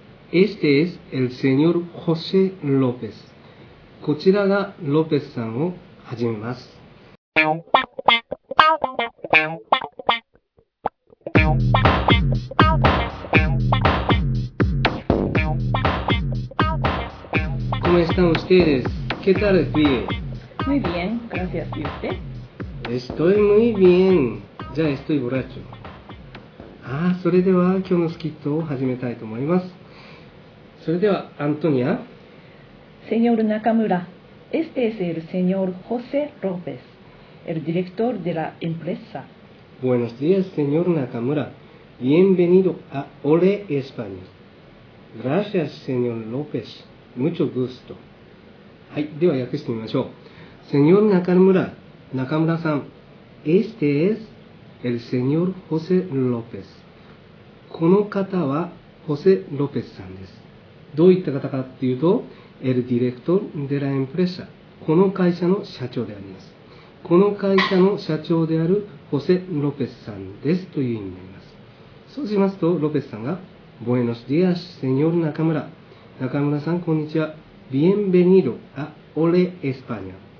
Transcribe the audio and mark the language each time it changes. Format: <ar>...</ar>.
<es>Este es el señor José López.</es> <ja>こちらがロペスさんをはじめます。</ja> <es>¿Cómo están ustedes? ¿Qué tal, Fie? Muy bien, gracias. ¿Y usted? Estoy muy bien. Ya estoy borracho.</es> <ja>Ah, それでは今日のスキットを始めたいと思います。それでは、アントニア。</ja> <es>Señor Nakamura, este es el señor José López, el director de la empresa. Buenos días, señor Nakamura. Bienvenido a Ole España. Gracias, señor López. Mucho gusto.</es> <ja>はい、では訳してみましょう。</ja> <es>Señor Nakamura, Nakamura-san, este es el señor José López.</es> <ja>この方は、ホセ・ロペスさんです。どういった方かっていうと、</ja> <es>El director de la empresa.</es> <ja>この会社の社長であります。この会社の社長であるホセ・ロペスさんですという意味になります。そうしますと、ロペスさんが、</ja> <es>Buenos días, señor Nakamura.</es> <ja>中村さん、こんにちは。</ja> <es>Bienvenido a Ole España.</es>